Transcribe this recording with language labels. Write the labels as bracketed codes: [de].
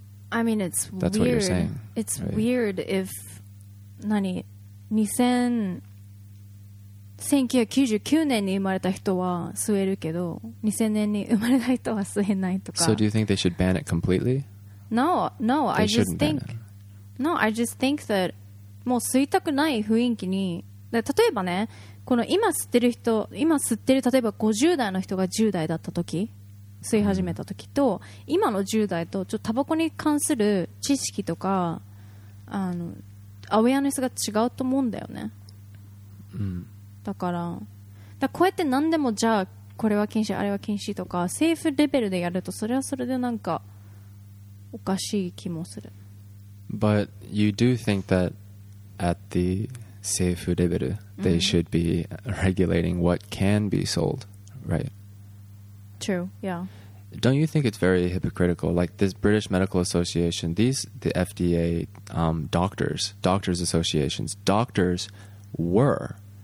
[en] I mean, it's weird. That's what you're saying. It's weird if [ja] 1999年に生まれた人は吸えるけど、2000年に生まれた人は吸えないとか。 [en] So do you think they should ban it completely? No, I just think. No, I just think that [ja] もう吸いたくない雰囲気に、例えばね、この今吸ってる人、今吸ってる例えば50代の人が10代だった時、吸い始めた時と、今の10代とちょっとタバコに関する知識とかアウェアネスが違うと思うんだよね。だからこうやって何でもじゃあこれは禁止あれは禁止とか政府レベルでやると、それはそれでなんかおかしい気もする。 [en] But you do think that at the [ja] 政府レベル [en] they should be regulating what can be sold, right? True, yeah. Don't you think it's very hypocritical? Like this British Medical Association, the FDA doctors associations, doctors were...